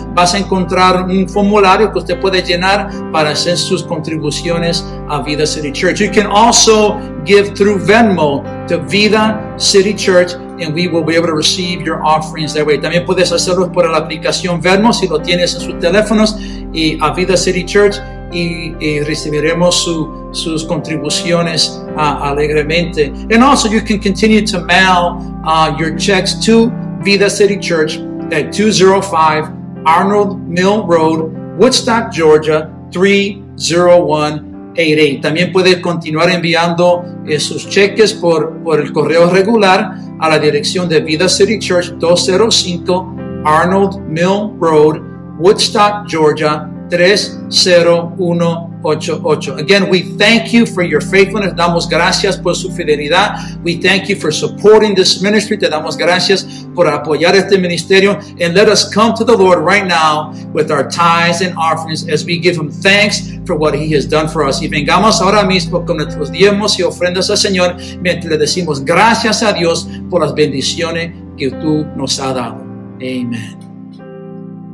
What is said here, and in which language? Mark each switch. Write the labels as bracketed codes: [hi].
[es] Vas a encontrar un formulario que usted puede llenar para hacer sus contribuciones a Vida City Church. [en] You can also give through Venmo to Vida City Church, and we will be able to receive your offerings that way. [es] También puedes hacerlo por la aplicación Venmo si lo tienes en sus teléfonos, y a Vida City Church, y recibiremos sus contribuciones alegremente. [en] And also, you can continue to mail your checks to Vida City Church at 205 Arnold Mill Road, Woodstock, Georgia 30188. [es] También puedes continuar enviando sus cheques por el correo regular a la dirección de Vida City Church, 205 Arnold Mill Road, Woodstock, Georgia 30188. [en] Again, we thank you for your faithfulness. [es] Damos gracias por su fidelidad. [en] We thank you for supporting this ministry. [es] Te damos gracias por apoyar este ministerio. [en] And let us come to the Lord right now with our tithes and offerings as we give Him thanks for what He has done for us. [es] Y vengamos ahora mismo con nuestros diezmos y ofrendas al Señor mientras le decimos gracias a Dios por las bendiciones que tú nos has dado. [en] Amen.